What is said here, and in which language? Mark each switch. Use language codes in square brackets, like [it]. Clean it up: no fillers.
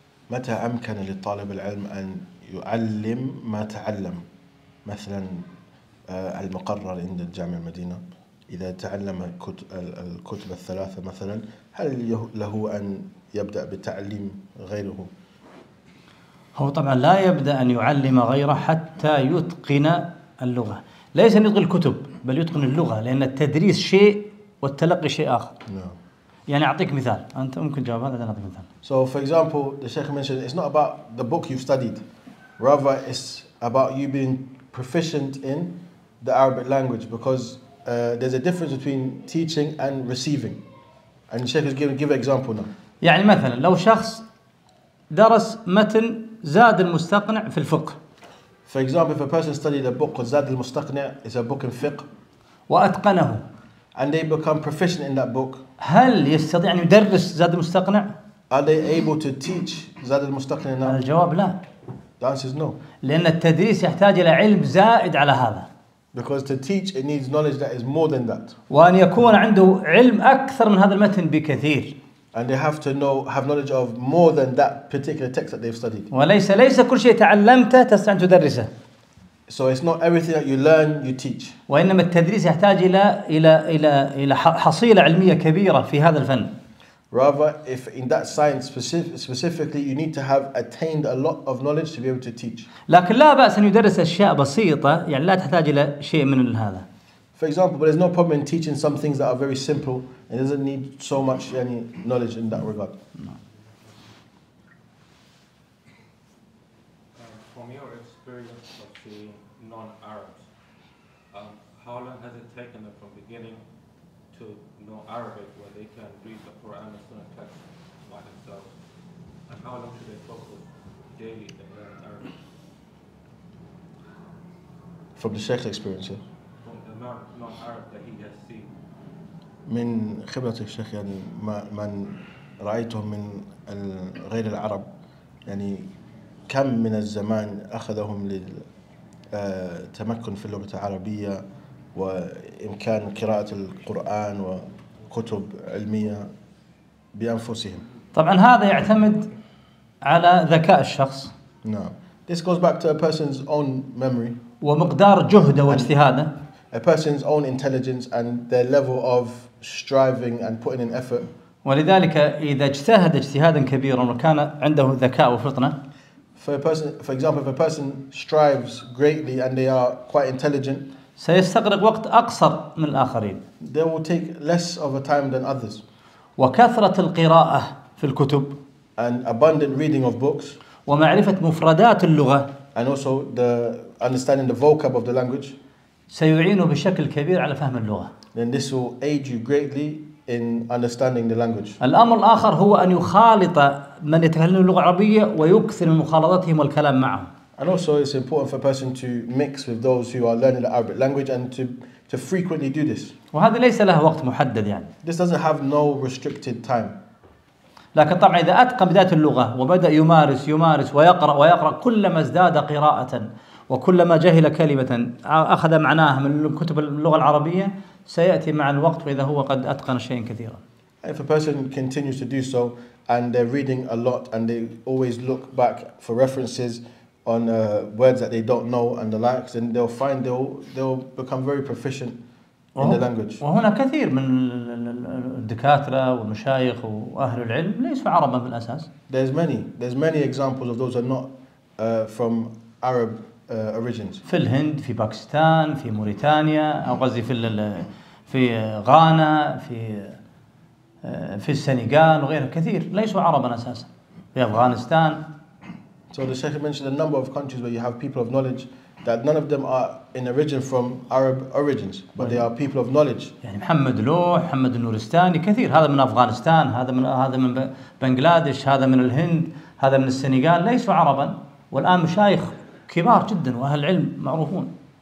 [ar] متى أمكن للطالب العلم أن يعلم ما تعلم، مثلاً المقرر عند جامع المدينة، إذا تعلم الكتب الثلاثة مثلاً هل له أن يبدأ بتعليم غيره؟ هو طبعاً لا يبدأ أن يعلم غيره حتى يتقن اللغة، ليس أن يتقن الكتب بل يتقن اللغة، لأن التدريس شيء والتلقي شيء آخر. يعني أعطيك مثال، أنت ممكن جواب هذا أعطيك مثال. [en] So for example, the Sheikh mentioned it's not about the book you've studied, rather it's about you being proficient in the Arabic language, because there's a difference between teaching and receiving. And the Sheikh is give an example now. [ar] يعني مثلا لو شخص درس متن زاد المستقنع في الفقه. [en] For example, if a person studied a book called Zad al-Mustaqni, it's a book in fiqh. [ar] وأتقنه. [en] And they become proficient in that book. [ar] هل يستطيع أن يدرس زاد المستقنع؟ [en] Are they able to teach زاد المستقنع now? [ar] الجواب لا. [en] The answer is no. [ar] لأن التدريس يحتاج إلى علم زائد على هذا. [en] Because to teach it needs knowledge that is more than that. [ar] وأن يكون عنده علم أكثر من هذا المتن بكثير. [en] And they have to have knowledge of more than that particular text that they've studied. [ar] وليس كل شيء تعلمته تستطيع أن تدرسه. [en] So it's not everything that you learn you teach. [ar] وإنما التدريس يحتاج إلى إلى إلى إلى حصيلة علمية كبيرة في هذا الفن. [en] Rather, if in that science specifically, you need to have attained a lot of knowledge to be able to teach. [ar] لكن لا بأس أن يدرس أشياء بسيطة، يعني لا تحتاج إلى شيء من هذا. [en] For example, but there's no problem in teaching some things that are very simple and doesn't need so much any knowledge in that regard. No. From your experience of the non-Arabs, how long has it taken them from beginning to know Arabic where they can read the Quran and Sunnah text by themselves? And how long should they focus daily to learn Arabic? From the Sheikh's experience, yeah. From the non-Arab that he has seen. [ar] من خبرة الشيخ يعني من رأيتهم من غير العرب يعني كم من الزمان أخذهم للتمكن في اللغة العربية وإمكان قراءة القرآن وكتب علمية بأنفسهم. طبعا هذا يعتمد على ذكاء الشخص. نعم. [en] This goes back to a person's own memory. [ar] ومقدار جهده واجتهاده. [en] A person's own intelligence and their level of striving and putting in effort. [ar] ولذلك إذا اجتهد اجتهادا كبيرا وكان عنده ذكاء وفطنة. [en] For a person, for example, if a person strives greatly and they are quite intelligent. [ar] سيستغرق وقت أقصر من الآخرين. [en] They will take less of a time than others. [ar] وكثرة القراءة في الكتب. [en] And abundant reading of books. [ar] ومعرفة مفردات اللغة. [en] And also the understanding the vocab of the language. [ar] سيعينه بشكل كبير على فهم اللغة. [en] Then this will aid you greatly in understanding the language. [ar] الأمر الآخر هو أن يخالط من يتكلم اللغة العربية ويكثر من مخالطتهم والكلام معهم. [en] And also it's important for a person to mix with those who are learning the Arabic language and to frequently do this. [ar] وهذا ليس له وقت محدد يعني. [en] This doesn't have no restricted time. [ar] لكن طبعا إذا أتقن بداية اللغة وبدأ يمارس ويقرأ كلما ازداد قراءة وكلما جهل كلمة أخذ معناها من كتب اللغة العربية سيأتي مع الوقت وإذا هو قد أتقن شيئا كثيرا. [en] If a person continues to do so and they're reading a lot and they always look back for references on words that they don't know and the likes, then they'll find they'll become very proficient in the language. [ar] وهنا كثير من الدكاترة والمشايخ وأهل العلم ليسوا عربا بالأساس. [en] There's many examples of those who are not from Arab origins. [ar] في الهند، في باكستان، في موريتانيا، أو قصدي في غانا، في السنغال وغيرها كثير ليسوا عربا أساسا. في أفغانستان. [en] So the Sheikh mentioned a number of countries where you have people of knowledge that none of them are in origin from Arab origins, but they are people of knowledge. [ar] يعني محمد لوح، محمد النورستاني كثير. هذا من أفغانستان، هذا من بنغلاديش، هذا من الهند، هذا من السنغال ليسوا عربا والآن مشايخ كبار جدا وأهل العلم معروفون.